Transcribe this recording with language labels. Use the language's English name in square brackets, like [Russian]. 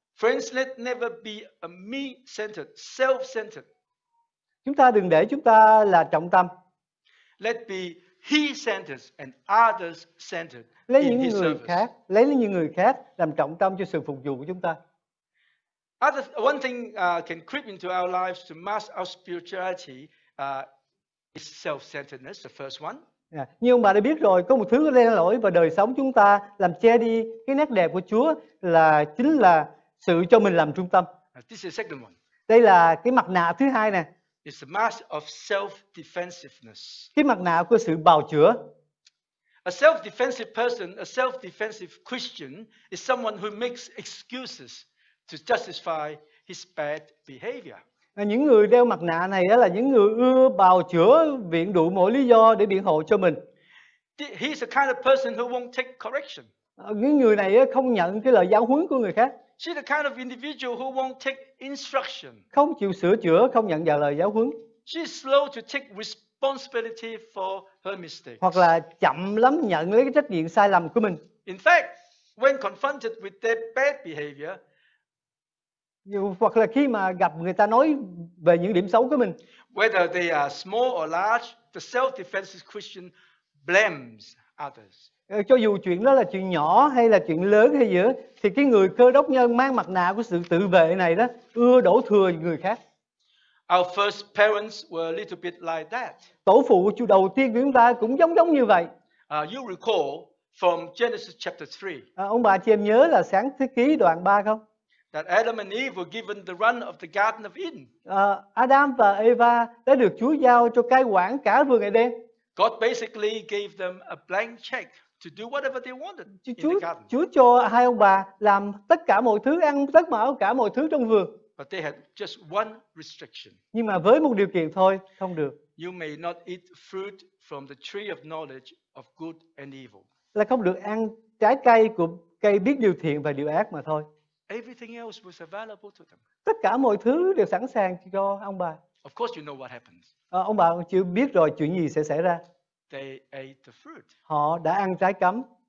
[English] Friends, let never be a me-centered, self-centered. [Vietnamese] Chúng ta đừng để chúng ta là trọng tâm. [English] Let be he-centered and others-centered. [Vietnamese] Lấy những người khác, lấy những người khác làm trọng tâm cho sự phục vụ của chúng ta. [English] One thing can creep into our lives to mask our spirituality is self-centeredness, the first one. Yeah. [Vietnamese] Như ông bà đã biết rồi, có một thứ len lỏi vào đời sống chúng ta làm che đi cái nét đẹp của Chúa là chính là sự cho mình làm trung tâm. [English] This is second one. [Vietnamese] Đây là cái mặt nạ thứ hai nè. [English] It's a mask of self-defensiveness. [Vietnamese] Cái mặt nạ của sự bào chữa. [English] A self-defensive person, a self-defensive Christian is someone who makes excuses to justify his bad behavior. [Vietnamese] Những người đeo mặt nạ này là những người ưa bào chữa, viện đủ mọi lý do để biện hộ cho mình. [English] He's the kind of person who won't take correction. [Vietnamese] Những người này không nhận cái lời giáo huấn của người khác. [English] She's the kind of individual who won't take instruction. [Vietnamese] Không chịu sửa chữa, không nhận vào lời giáo huấn. [English] She's slow to take responsibility for her mistakes. [Vietnamese] Hoặc là chậm lắm nhận lấy cái trách nhiệm sai lầm của mình. [English] In fact, when confronted with their bad behavior, [Vietnamese] hoặc là khi mà gặp người ta nói về những điểm xấu của mình, [English] whether they are small or large, the self-defensive Christian blames others. [Vietnamese] Cho dù chuyện đó là chuyện nhỏ hay là chuyện lớn hay gì đó, thì cái người cơ đốc nhân mang mặt nạ của sự tự vệ này đó ưa đổ thừa người khác. [English] Our first parents were a little bit like that. [Vietnamese] Tổ phụ của chú đầu tiên của chúng ta cũng giống như vậy. [English] You recall from Genesis chapter 3. [Vietnamese] Ông bà chị em nhớ là sáng Thế Ký đoạn 3 không? [English] That Adam and Eve were given the run of the Garden of Eden. [Vietnamese] Adam và Eva đã được Chúa giao cho cai quản cả vườn Eden. [English] God basically gave them a blank check to do whatever they wanted in the garden. [Vietnamese] Chúa cho hai ông bà làm tất cả mọi thứ, ăn tất cả mọi thứ trong vườn. [English] But they had just one restriction. [Vietnamese] Nhưng mà với một điều kiện thôi, không được. [English] You may not eat fruit from the tree of knowledge of good and evil. [Vietnamese] Là không được ăn trái cây của cây biết điều thiện và điều ác mà thôi. [English] Everything else was available to them. [Vietnamese] Tất cả mọi thứ đều sẵn sàng cho ông bà. [English] Of course you know what happens. [Vietnamese] Ông bà chưa biết rồi chuyện gì sẽ xảy ra. [English] They ate the fruit. [Vietnamese] Họ đã ăn trái cấm.